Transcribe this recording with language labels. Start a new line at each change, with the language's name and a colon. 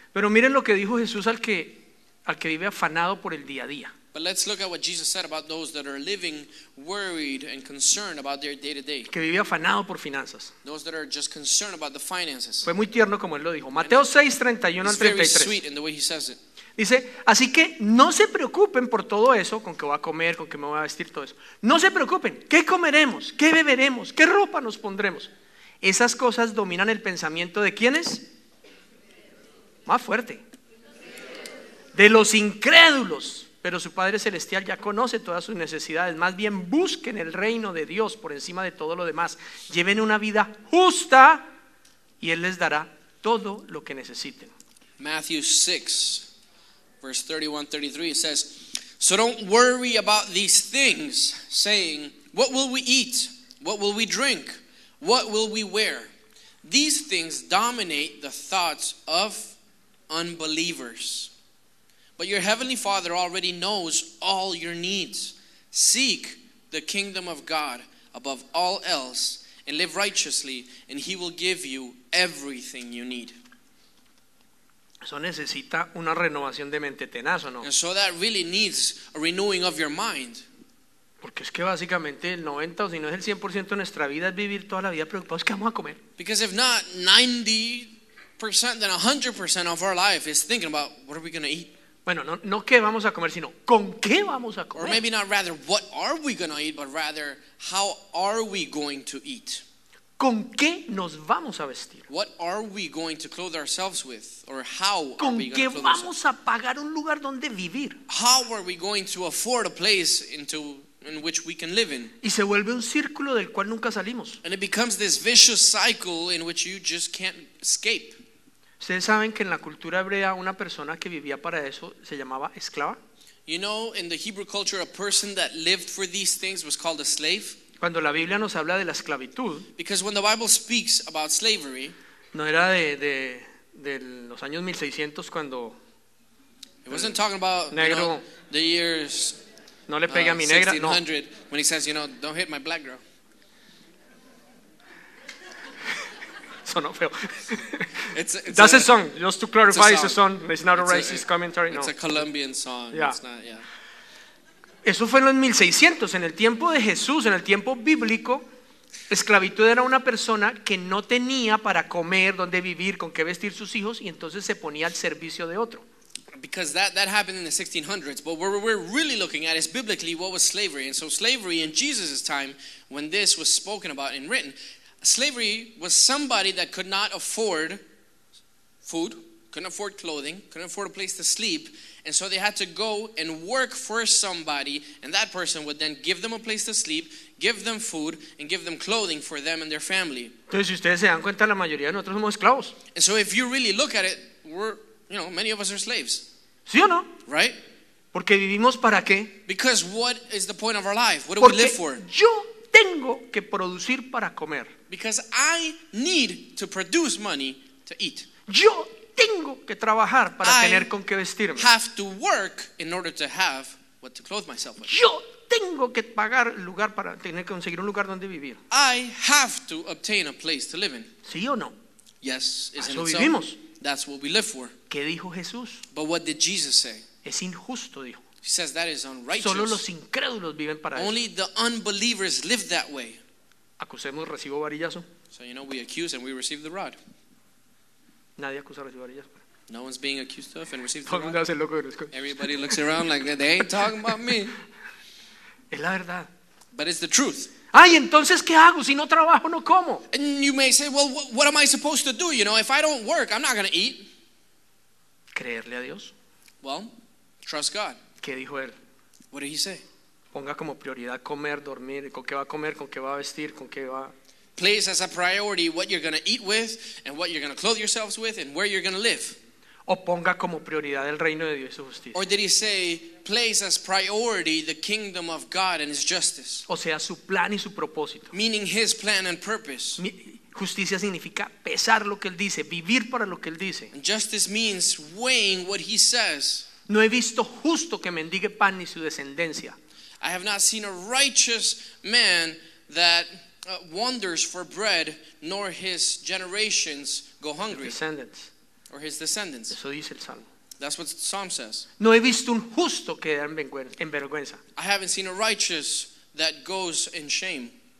Spanish: Pero miren lo que dijo Jesús al que vive afanado por el día a día.
English: But let's look at what Jesus said about those that are living worried and concerned about their day-to-day.
Spanish: Que vive afanado por finanzas.
English: Those that are just concerned about the finances.
Spanish: Fue muy tierno como él lo dijo. Mateo 6:31-33.
English: Very sweet in the way he says it.
Spanish: Dice, así que no se preocupen por todo eso, con qué voy a comer, con qué me voy a vestir, todo eso. No se preocupen. ¿Qué comeremos? ¿Qué beberemos? ¿Qué ropa nos pondremos? Esas cosas dominan el pensamiento de ¿quiénes? Más fuerte. De los incrédulos. Pero su Padre Celestial ya conoce todas sus necesidades. Más bien busquen el reino de Dios por encima de todo lo demás. Lleven una vida justa y Él les dará todo lo que necesiten.
English: Matthew 6, verse 31-33 says, so don't worry about these things, saying, what will we eat? What will we drink? What will we wear? These things dominate the thoughts of unbelievers. But your heavenly Father already knows all your needs. Seek the kingdom of God above all else and live righteously, and he will give you everything you need.
Spanish: Eso necesita una renovación de mente tenaz, ¿o no?
English: And so that really needs a renewing of your mind.
Spanish: Porque es que básicamente el 90 o si no es el 100% de nuestra vida es vivir toda la vida preocupados qué vamos a comer.
English: Because if not 90%, then 100% of our life is thinking about what are we going to eat.
Spanish: Bueno, no qué vamos a comer, sino con qué vamos a comer.
English: Or maybe not rather what are we going to eat, but rather how are we going to eat.
Spanish: ¿Con qué nos vamos a vestir?
English: What are we going to clothe ourselves with, or how are we going to clothe ourselves?
Spanish: ¿Con qué vamos a pagar un lugar donde vivir?
English: How are we going to afford a place in which we can live in?
Spanish: Y se vuelve un círculo del cual nunca salimos.
English: And it becomes this vicious cycle in which you just can't escape.
Spanish: ¿Ustedes saben que en la cultura hebrea una persona que vivía para eso se llamaba esclava?
English: You know, in the Hebrew culture, a person that lived for these things was called a slave.
Spanish: Cuando la Biblia nos habla de la esclavitud,
English: because when the Bible speaks about slavery,
Spanish: no era de los años 1600 cuando
English: it wasn't talking about
Spanish: negro,
English: you know, the years
Spanish: no le pegue a mi negra,
English: 1600,
Spanish: no.
English: When he says, you know, don't hit my black girl. Sonó feo. That's a song. Just to clarify, it's a song. It's not a racist commentary. It's no. A Colombian song. Yeah. It's not, yeah.
Spanish: Eso fue en los 1600, en el tiempo de Jesús, en el tiempo bíblico. Esclavitud era una persona que no tenía para comer, dónde vivir, con qué vestir sus hijos, y entonces se ponía al servicio de otro.
English: Because that happened in the 1600s. But what we're really looking at is biblically what was slavery. And so slavery in Jesus' time, when this was spoken about and written, slavery was somebody that could not afford food, couldn't afford clothing, couldn't afford a place to sleep, and so they had to go and work for somebody, and that person would then give them a place to sleep, give them food, and give them clothing for them and their family.
Spanish: Entonces, si ustedes se dan cuenta, la mayoría de nosotros somos esclavos.
English: And so if you really look at it, we're, you know, many of us are slaves.
Spanish: ¿Sí o no?
English: Right?
Spanish: Porque vivimos para qué?
English: Because what is the point of our life? What do
Spanish: Porque
English: we live for?
Spanish: Yo tengo que producir para comer.
English: Because I need to produce money to eat.
Spanish: Yo tengo que trabajar para tener con qué vestirme.
English: I have to work in order to have what to clothe myself with.
Spanish: Yo tengo que pagar lugar para tener que conseguir un lugar donde vivir.
English: I have to obtain a place to live in.
Spanish: ¿Sí o no?
English: Yes, is in itself.
Spanish: Eso vivimos.
English: That's what we live for.
Spanish: ¿Qué dijo Jesús?
English: But what did Jesus say?
Spanish: Es injusto, dijo.
English: He says that is unrighteous.
Spanish: Solo los incrédulos viven para
English: Only
Spanish: eso.
English: The unbelievers live that way.
Spanish: Acusemos, recibo varillazo.
English: So you know we accuse and we receive the rod.
Spanish: Nadie acusa, recibo varillazo.
English: No one's being accused of and receives the rod.
Spanish: Hace loco,
English: everybody looks around like they ain't talking about me.
Spanish: Es la verdad.
English: But it's the truth.
Spanish: Ay, entonces, ¿qué hago? Si no trabajo, no como.
English: And you may say, well, what am I supposed to do? You know, if I don't work, I'm not going to eat.
Spanish: Creerle a Dios.
English: Well, trust God.
Spanish: ¿Qué dijo él?
English: What did he say?
Spanish: Ponga como prioridad comer, dormir, con qué va a comer, con qué va a vestir, con qué va.
English: Place as a priority what you're going to eat with and what you're going to clothe yourselves with and where you're going to live.
Spanish: O ponga como prioridad el reino de Dios y su justicia.
English: Or did he say, place as priority the kingdom of God and his justice?
Spanish: O sea, su plan y su propósito.
English: Meaning his plan and purpose.
Spanish: Justicia significa pesar lo que él dice, vivir para lo que él dice.
English: And justice means weighing what he says.
Spanish: No he visto justo que mendigue pan ni su descendencia.
English: I have not seen a righteous man that wanders for bread, nor his generations go hungry. Descendants. Or his descendants.
Spanish: Eso dice el Salmo.
English: That's what Psalm says.
Spanish: No he visto un justo que da en vergüenza.
English: I haven't seen a righteous that goes in shame.